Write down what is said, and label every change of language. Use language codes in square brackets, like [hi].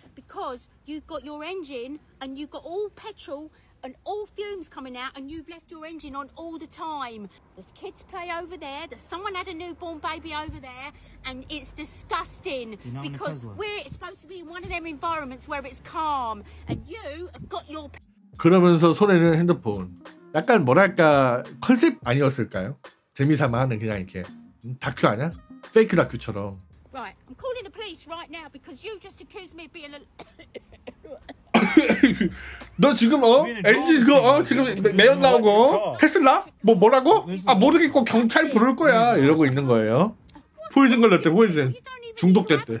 [en] Because you've got your engine and you've got all petrol and all fumes coming out and you've left your engine on all the time. There's kids play over there. There's someone had a newborn baby over there and it's disgusting. You know, because we're supposed to be in one of them environments where it's calm and you have got your. [ko] 그러면서 손에는 핸드폰. 약간 뭐랄까 컨셉 아니었을까요? 재미삼아 하는 그냥 이렇게. 다큐 아니야? 페이크 다큐처럼. [en] Right, I'm calling the police right now because you just accused me of being a. [ko] 너 지금 어 엔진 그 어 지금 매연 나오고 테슬라 뭐 뭐라고? 아 모르겠고 경찰 부를 거야 이러고 있는 거예요. 포이즌 걸렸대 포이즌 중독됐대.